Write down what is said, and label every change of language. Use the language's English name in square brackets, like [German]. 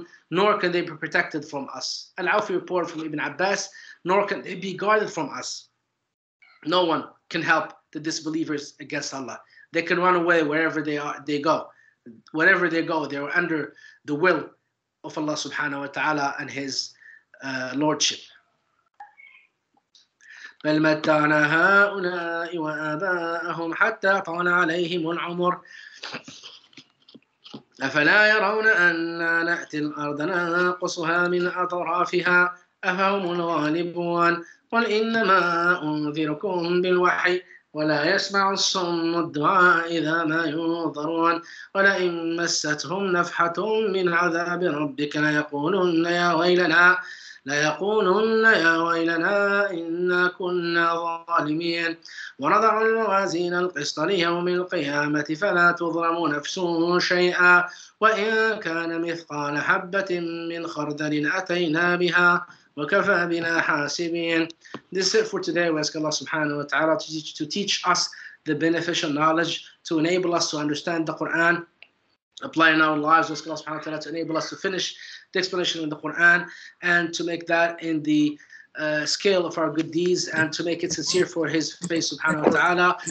[English] Nor can they be protected from us. Al Awfi report from Ibn Abbas, nor can they be guarded from us. No one can help the disbelievers against Allah. They can run away wherever they are, they go. Wherever they go, they are under the will of Allah subhanahu wa ta'ala and His Lordship. [Arabic] بل متعنا هؤلاء وآباءهم حتى طال عليهم العمر أفلا يرون أنا نأتي الأرض ننقصها من أطرافها أفهم الغالبون قل إنما أنذركم بالوحي ولا يسمع الصم الدعاء إذا ما ينظرون ولئن مستهم نفحة من عذاب ربك ليقولن يا ويلنا ليقولن يا ويلنا إنا كنا ظالمين ونضع الموازين القسط ليوم القيامة فلا تظلم نفس شيئا وإن كان مثقال حبة من خردل أتينا بها وكفى بنا حاسبين. [English] This is it for today. We ask Allah subhanahu wa ta'ala to teach us the beneficial knowledge, to enable us to understand the Quran, apply in our lives. We ask Allah subhanahu wa ta'ala to enable us to finish the explanation in the Quran and to make that in the scale of our good deeds and to make it sincere for His face subhanahu wa ta'ala.